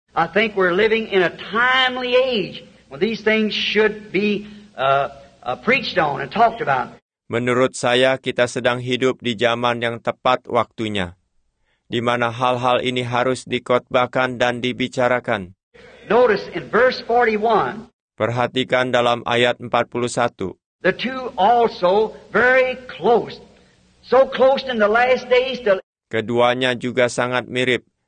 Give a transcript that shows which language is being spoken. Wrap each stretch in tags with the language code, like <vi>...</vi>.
<en>I think we're living in a timely age when these things should be preached on and talked about.</en> <id>Menurut saya, kita sedang hidup di zaman yang tepat waktunya, di mana hal-hal ini harus dikhotbahkan dan dibicarakan.</id> <en>Notice in verse 41.</en> <id>Perhatikan dalam ayat 41.</id> <en>The two also very close. So close in the last days.</en> <id>Keduanya juga sangat mirip.</id>